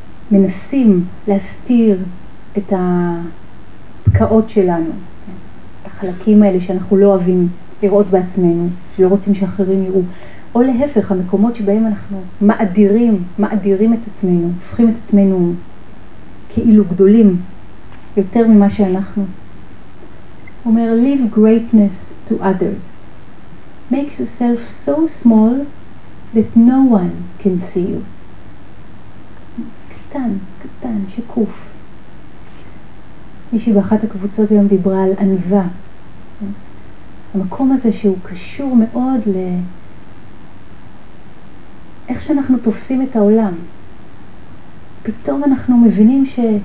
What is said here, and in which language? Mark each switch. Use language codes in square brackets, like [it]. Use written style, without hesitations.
[he] מנסים להסתיר את הפקעות שלנו, את החלקים האלה שאנחנו לא אוהבים לראות בעצמנו, שלא רוצים שאחרים יראו, או להפך, המקומות שבהם אנחנו מאדירים, מאדירים את עצמנו, הופכים את עצמנו כאילו גדולים יותר ממה שאנחנו. אומר [en] leave greatness to others. Makes yourself so small that no one can see you. [he] קטן, קטן, שקוף. מישהי באחת הקבוצות היום דיברה על ענווה. המקום הזה שהוא קשור מאוד ל... איך שאנחנו תופסים את העולם. פתאום אנחנו מבינים ש...